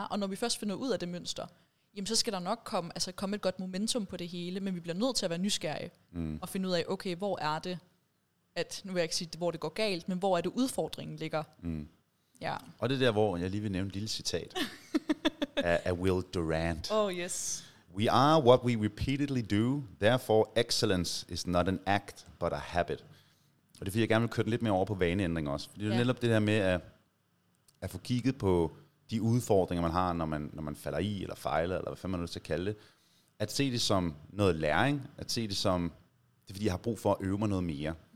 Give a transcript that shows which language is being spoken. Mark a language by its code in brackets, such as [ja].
[da] Og når vi først finder ud af det mønster, jamen så skal der nok komme et godt momentum på det hele, men vi bliver nødt til at være nysgerrige og finde ud af, okay, hvor er det, at, nu vil jeg ikke sige, hvor det går galt, men hvor er det, udfordringen ligger. Mm. Ja. Og det er der, hvor jeg lige vil nævne et lille citat af Will Durant. [en] Oh, yes. We are what we repeatedly do, therefore excellence is not an act, but a habit. [da] Og det er fordi, jeg gerne vil køre den lidt mere over på vaneændring også. Fordi det er netop det her med at få kigget på de udfordringer, man har, når man falder i, eller fejler, eller hvad fanden man er nødt til at kalde det. At se det som noget læring, at se det som, det er fordi, jeg har brug for at øve mig noget mere.